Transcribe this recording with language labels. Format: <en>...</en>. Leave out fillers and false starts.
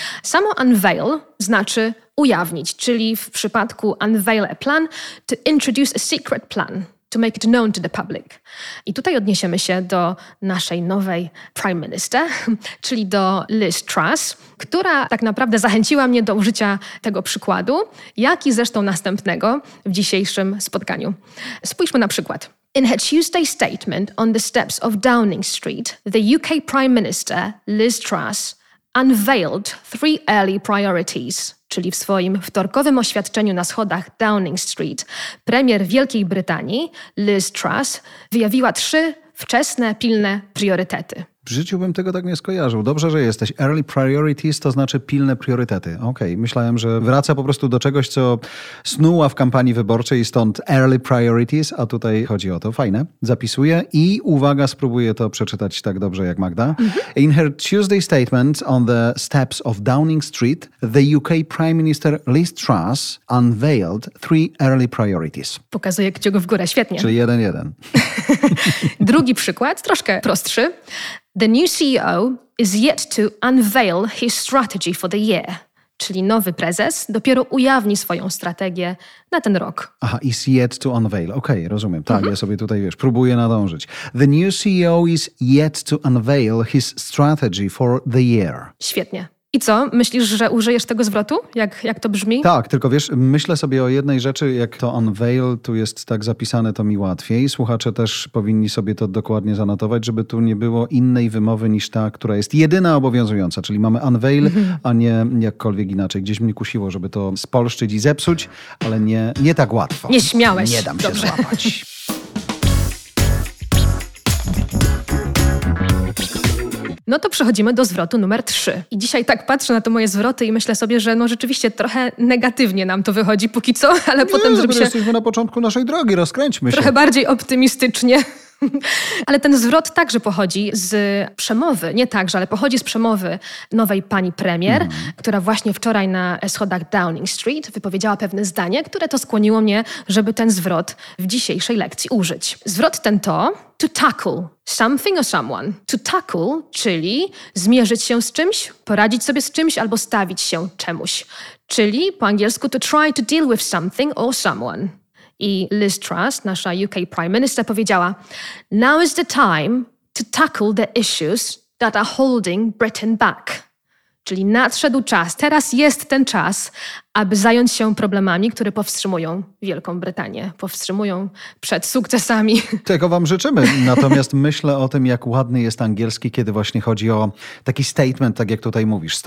<pl>Samo unveil znaczy ujawnić, czyli w przypadku unveil a plan</pl> <en>to introduce a secret plan, to make it known to the public.</en> <pl>I tutaj odniesiemy się do naszej nowej prime minister, czyli do Liz Truss, która tak naprawdę zachęciła mnie do użycia tego przykładu, jak i zresztą następnego w dzisiejszym spotkaniu. Spójrzmy na przykład.</pl> <en>In her Tuesday statement on the steps of Downing Street, the UK Prime Minister Liz Truss unveiled three early priorities.</en> <pl>Czyli w swoim wtorkowym oświadczeniu na schodach Downing Street, premier Wielkiej Brytanii, Liz Truss, wyjawiła trzy wczesne, pilne priorytety. W życiu bym tego tak nie skojarzył. Dobrze, że jesteś. Early priorities to znaczy pilne priorytety. Okej, okay. Myślałem, że wraca po prostu do czegoś, co snuła w kampanii wyborczej, stąd early priorities, a tutaj chodzi o to. Fajne. Zapisuję i uwaga, spróbuję to przeczytać tak dobrze jak Magda. Mm-hmm.</pl> <en>In her Tuesday statement on the steps of Downing Street, the UK Prime Minister Liz Truss unveiled three early priorities.</en> <pl>Pokazuję kciuk w górę, świetnie. Czyli 1-1. Drugi przykład, troszkę prostszy.</pl> <en>The new CEO is yet to unveil his strategy for the year.</en> <pl>Czyli nowy prezes dopiero ujawni swoją strategię na ten rok. Aha, is yet to unveil. Okej, okay, rozumiem. Tak, mm-hmm. Ja sobie tutaj, wiesz, próbuję nadążyć.</pl> <en>The new CEO is yet to unveil his strategy for the year.</en> <pl>Świetnie. I co? Myślisz, że użyjesz tego zwrotu? Jak to brzmi? Tak, tylko wiesz, myślę sobie o jednej rzeczy, jak to unveil tu jest tak zapisane, to mi łatwiej. Słuchacze też powinni sobie to dokładnie zanotować, żeby tu nie było innej wymowy niż ta, która jest jedyna obowiązująca. Czyli mamy unveil, a nie jakkolwiek inaczej. Gdzieś mnie kusiło, żeby to spolszczyć i zepsuć, ale nie tak łatwo. Nie śmiałeś. Nie dam Dobrze. Się złapać. No to przechodzimy do zwrotu numer 3. I dzisiaj tak patrzę na te moje zwroty i myślę sobie, że no rzeczywiście trochę negatywnie nam to wychodzi póki co, ale nie, potem zrobi się... jesteśmy na początku naszej drogi, rozkręćmy trochę się. Trochę bardziej optymistycznie. Ale ten zwrot także pochodzi z przemowy, nie także, ale pochodzi z przemowy nowej pani premier, która właśnie wczoraj na schodach Downing Street wypowiedziała pewne zdanie, które to skłoniło mnie, żeby ten zwrot w dzisiejszej lekcji użyć. Zwrot ten to to tackle something or someone. To tackle, czyli zmierzyć się z czymś, poradzić sobie z czymś albo stawić się czemuś. Czyli po angielsku</pl> <en>to try to deal with something or someone.</en> <pl>I Liz Truss, nasza UK Prime Minister, powiedziała:</pl> <en>Now is the time to tackle the issues that are holding Britain back.</en> <pl>Czyli nadszedł czas, teraz jest ten czas, aby zająć się problemami, które powstrzymują Wielką Brytanię, powstrzymują przed sukcesami. Tego wam życzymy. Natomiast myślę o tym, jak ładny jest angielski, kiedy właśnie chodzi o taki statement, tak jak tutaj mówisz.</pl>